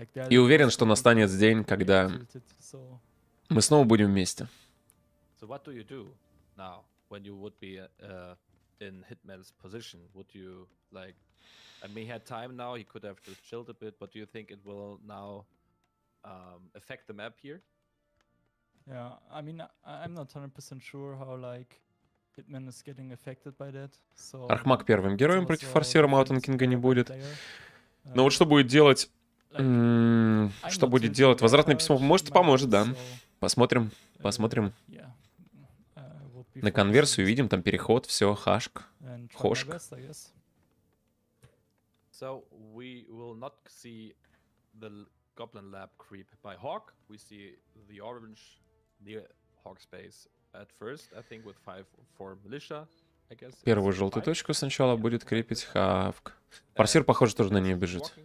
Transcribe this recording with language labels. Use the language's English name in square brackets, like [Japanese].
[Russian] И уверен, что настанет день, когда мы снова будем вместе. [English] So what do you do now when you would be in Hitman's position? Would you like, I mean, he had time now, he could have just chilled a bit, but do you think it will now affect the map here? Yeah, I mean, I'm not 100% sure how like Hitman is getting affected by that. So [Russian] Архмаг первым героем против форсера Mountain King'а не будет. Но вот что будет делать... что будет делать? Возвратное письмо может поможет, да. Посмотрим. Посмотрим. На конверсию видим, там переход, все, хашк. Хошк. [English] So we will not see the goblin lab creep by Hawk. We see the orange near Hawk space at first, I think with 5-4 militia. [Russian] Первую желтую точку сначала будет крепить Хавк. Парсир, похоже, тоже на нее бежит.